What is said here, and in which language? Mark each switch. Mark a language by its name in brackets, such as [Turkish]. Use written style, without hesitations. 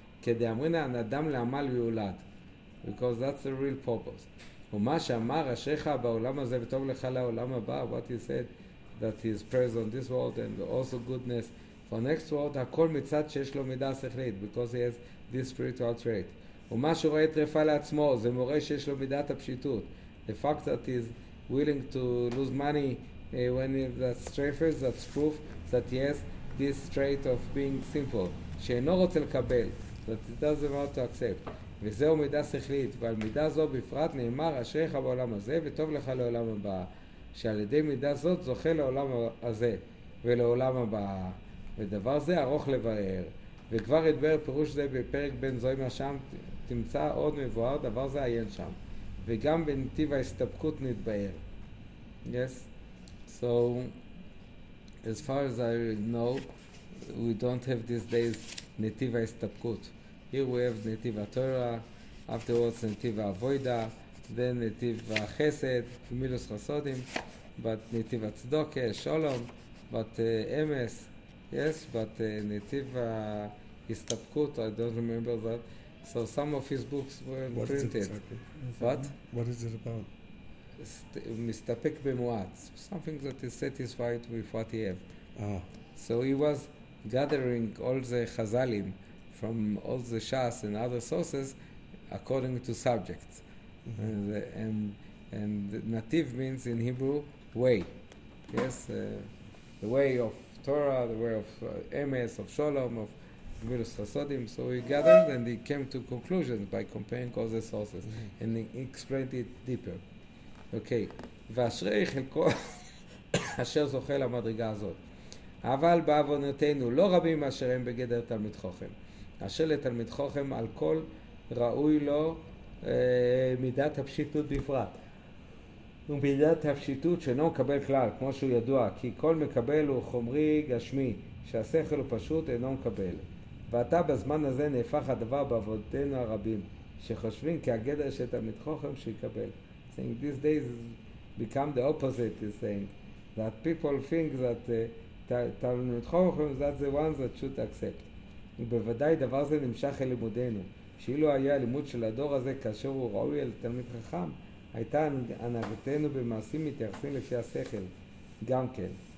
[Hebrew] כדאמרינן אדם לעמל יולד, [English] because that's the real purpose. [Hebrew] ומה שאמר אשריך בעולם הזה וטוב לך לעולם הבא, [English] what he said, that he is praised on this world and also goodness for next world, [Hebrew] הכל מצד שיש לו מידה שכלית, [English] because he has this spiritual trait. [Hebrew] ומה שרואה טרפה לעצמו, זה מורה שיש לו מידת הפשיטות. [English] The fact that he is willing to lose money when that's trafers, that's proof that he has this trait of being simple. [Hebrew] שאינו רוצה לקבל, [English] that he doesn't want to accept. [Hebrew] וזהו מידה שכלית, ועל מידה זו בפרט נאמר, אשריך בעולם הזה וטוב לך לעולם הבא. שעל ידי מידה זאת זוכה לעולם הזה ולעולם הבא. ודבר זה ארוך לבאר. וכבר ידבר פירוש זה בפרק בן זוהים השם, תמצא עוד מבואר, דבר זה עיין שם. וגם בנתיב ההסתפקות נתבאר. [English] Yes? So, as far as I know, we don't have these days נתיב ההסתפקות. Here we have נתיב התורה, afterwards נתיב האבוידה, then נתיב החסד, מילוס חסודים, but נתיב הצדוק, שולום, but אמס, yes, but נתיב ההסתפקות, I don't remember that. So some of his books were printed. What is it about? Mistapek b'muat, something that is satisfied with what he have. Ah. So he was gathering all the chazalim from all the shas and other sources according to subjects. Mm-hmm. And nativ means in Hebrew way. Yes, the way of Torah, the way of Emes, of Sholom, of Gemilus Chasodim. So he gathered and he came to conclusions by comparing all the sources. Mm-hmm. And he explained it deeper. Okay. [Hebrew] ואשרי חלקו אשר זוכה למדרגה הזאת. אבל בעוונותינו לא רבים אשר הם בגדר תלמיד חוכם. אשר לתלמיד חוכם על כל ראוי לו מידת הפשיטות בפרט. ומידת הפשיטות שאינו מקבל כלל, כמו שהוא ידוע, כי כל מקבל הוא חומרי גשמי, שהשכל הוא פשוט אינו מקבל. ואתה בזמן הזה נהפך הדבר בעבודתנו הרבים, שחושבים כי הגדר של תלמיד חוכם שיקבל. [English] Saying this day has become the opposite, he's saying that people think that תלמיד חוכם that's the one that should accept. [Hebrew] ובוודאי דבר זה נמשך אל לימודנו, שאילו היה הלימוד של הדור הזה כאשר הוא ראוי אל תלמיד חכם, הייתה הנהגתנו במעשים מתייחסים לפי השכל גם כן.